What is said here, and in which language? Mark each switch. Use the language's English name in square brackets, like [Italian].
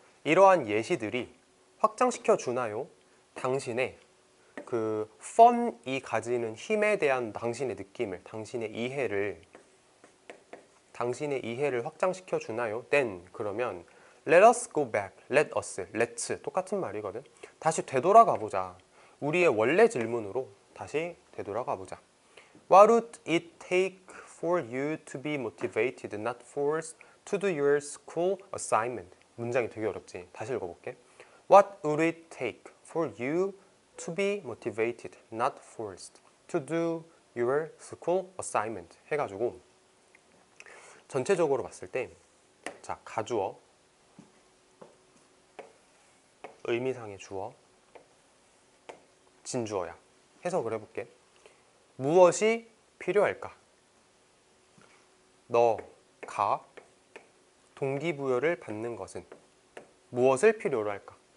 [Korean] 이러한 예시들이 확장시켜 주나요? 당신의 그 fun이 가지는 힘에 대한 당신의 느낌을, 당신의 이해를 확장시켜 주나요? [English] Then, [Korean] 그러면 [English] let us go back, let us, let's [Korean] 똑같은 말이거든. 다시 되돌아가 보자. 우리의 원래 질문으로 다시 되돌아가 보자. [English] What would it take for you to be motivated, not forced to do your school assignment? [Korean] 문장이 되게 어렵지. 다시 읽어볼게. [English] What would it take for you to be motivated, not forced to do your school assignment? [Korean] 해가지고 전체적으로 봤을 때, 자, 가주어, 의미상의 주어, 진주어야. 해석을 해볼게. 무엇이 필요할까? 너가 동기부여를 받는 것은 무엇을 필요로 할까?